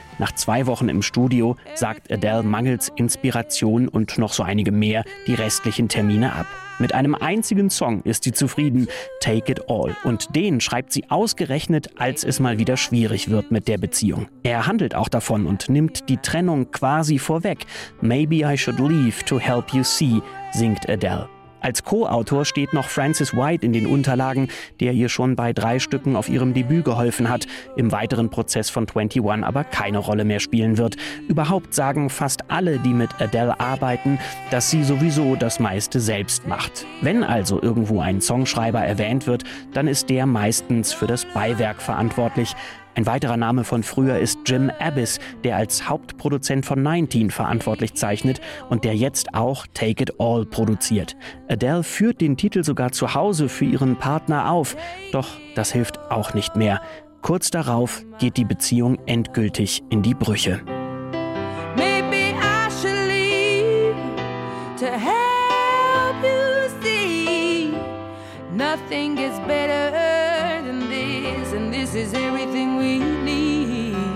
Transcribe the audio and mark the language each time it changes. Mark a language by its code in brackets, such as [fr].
[de] Nach 2 Wochen im Studio sagt Adele mangels Inspiration und noch so einige mehr die restlichen Termine ab. Mit einem einzigen Song ist sie zufrieden, Take It All. Und den schreibt sie ausgerechnet, als es mal wieder schwierig wird mit der Beziehung. Er handelt auch davon und nimmt die Trennung quasi vorweg. [en] Maybe I should leave to help you see, [de] singt Adele. Als Co-Autor steht noch Francis White in den Unterlagen, der ihr schon bei 3 Stücken auf ihrem Debüt geholfen hat, im weiteren Prozess von 21 aber keine Rolle mehr spielen wird. Überhaupt sagen fast alle, die mit Adele arbeiten, dass sie sowieso das meiste selbst macht. Wenn also irgendwo ein Songschreiber erwähnt wird, dann ist der meistens für das Beiwerk verantwortlich. Ein weiterer Name von früher ist Jim Abbiss, der als Hauptproduzent von 19 verantwortlich zeichnet und der jetzt auch Take It All produziert. Adele führt den Titel sogar zu Hause für ihren Partner auf, doch das hilft auch nicht mehr. Kurz darauf geht die Beziehung endgültig in die Brüche. [en] Maybe I should leave to help you see. Nothing gets better than this, and this is everything we need.